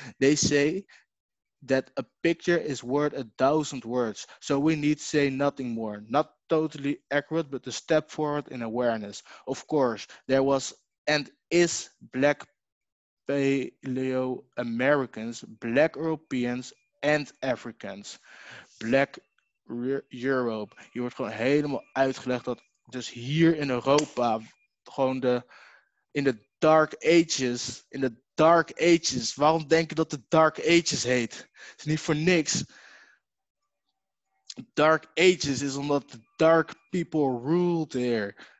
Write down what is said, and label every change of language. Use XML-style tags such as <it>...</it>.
<en>They say that a picture is worth 1,000 words, so we need say nothing more. Not totally accurate, but a step forward in awareness. Of course, there was and is Black Paleo-Americans, Black Europeans, and Africans, Black Europe.</en> <nl>Hier wordt gewoon helemaal uitgelegd dat dus hier in Europa gewoon in de Dark Ages. Waarom denk je dat de Dark Ages heet? Is niet voor niks.</nl> <en>Dark Ages</en> <nl>is omdat</nl> <en>the Dark people ruled there.</en>